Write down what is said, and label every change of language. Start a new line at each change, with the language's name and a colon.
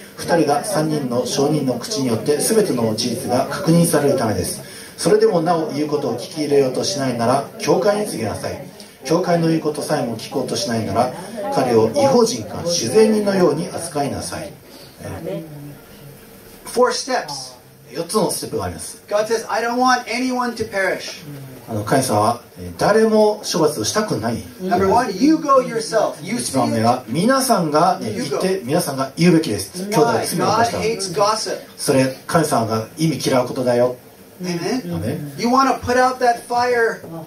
Japanese: 2人が3人の証人の口によって全ての事実が確認されるためです。それでもなお言うことを聞き入れようとしないなら教会に告げなさい。教会の言うことさえも聞こうとしないなら彼を異邦人か修善人のように扱いなさい。
English: Four steps.
Japanese: 4つのステップがあります。
English: God says, I don't want anyone to perish.
Japanese: 神様は誰も処罰をしたくない。
English: Number one, you go yourself. You speak. 1
Japanese: 番目は皆さんが行って皆さんが言うべきです。兄弟が罪を犯した。
English: God hates gossip.
Japanese: それ神様が意味嫌うことだよ。
English: Amen. You want to put out that fire.